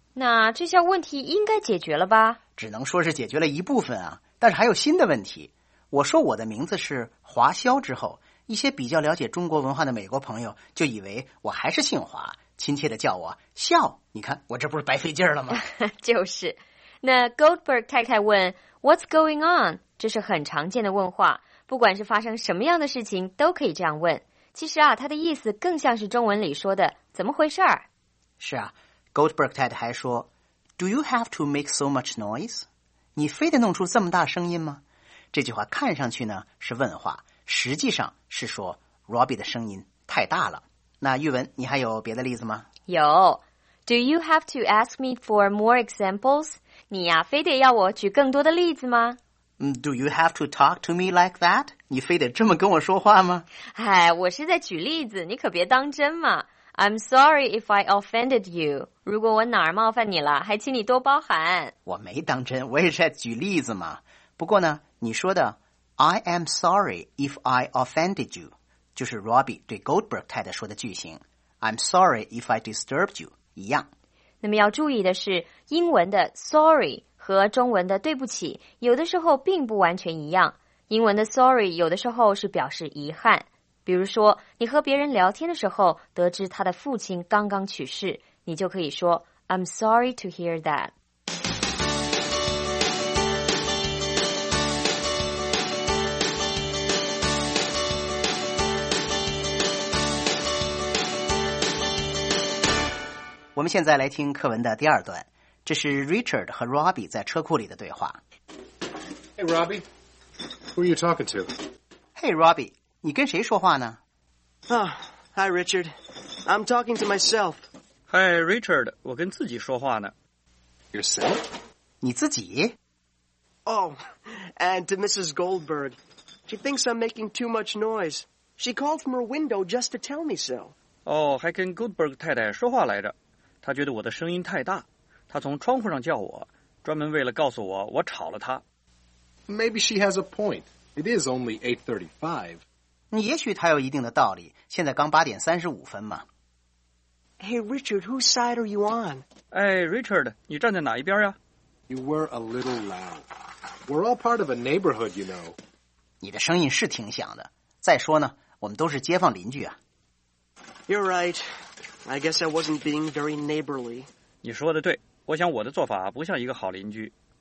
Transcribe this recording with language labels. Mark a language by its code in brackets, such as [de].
[zh] 那这项问题应该解决了吧？只能说是解决了一部分啊，但是还有新的问题。我说我的名字是华笑之后，一些比较了解中国文化的美国朋友就以为我还是姓华，亲切地叫我笑。你看，我这不是白费劲了吗？就是。那 Goldberg 太太问 [en] What's going on？ [zh] 这是很常见的问话，不管是发生什么样的事情都可以这样问。其实啊，他的意思更像是中文里说的怎么回事儿。是啊， Goldberg 太太还说 [en] Do you have to make so much noise? [zh] 你非得弄出这么大声音吗？这句话看上去呢是问话，实际上是说 Robbie 的声音太大了。那玉文，你还有别的例子吗？有。 [en] Do you have to ask me for more examples? [zh] 你呀，非得要我举更多的例子吗？ [en] Do you have to talk to me like that? [zh] 你非得这么跟我说话吗？哎，我是在举例子，你可别当真嘛。 [en] I'm sorry if I offended you. [zh] 如果我哪儿冒犯你了，还请你多包涵。我没当真，我也是在举例子嘛。不过呢，你说的 [en] I am sorry if I offended you [zh] 就是 Robbie 对 Goldberg 太太说的句型。 [en] I'm sorry if I disturbed you [zh] 一样。那么要注意的是，英文的 sorry和中文的对不起有的时候并不完全一样。英文的 sorry 有的时候是表示遗憾，比如说你和别人聊天的时候得知他的父亲刚刚去世，你就可以说 [en] I'm sorry to hear that。 [zh] 我们现在来听课文的第二段，这是 Richard 和 Robbie 在车库里的对话。 [en] Hey Robbie, who are you talking to? [zh] Hey Robbie, 你跟谁说话呢？ [en] Hi Richard, I'm talking to myself. [zh] Hi Richard, 我跟自己说话呢。 [en] Yourself? [zh] 你自己？ [en] Oh, and to Mrs. Goldberg. She thinks I'm making too much noise. She called from her window just to tell me so. [zh] 哦，还跟 Goldberg 太太说话来着，她觉得我的声音太大，她从窗户上叫我，专门为了告诉我我吵了她。 [en] Maybe she has a point. It is only 8:35. [zh] 也许她有一定的道理，现在刚8:35嘛。 [en] Hey Richard, whose side are you on? [zh] 哎 ，Richard， 你站在哪一边呀？ [en] You were a little loud. We're all part of a neighborhood, you know. [zh] 你的声音是挺响的，再说呢，我们都是街坊邻居啊。 [en] You're right. I guess I wasn't being very neighborly. [zh] 你说的对，我想我的做法不像一个好邻居。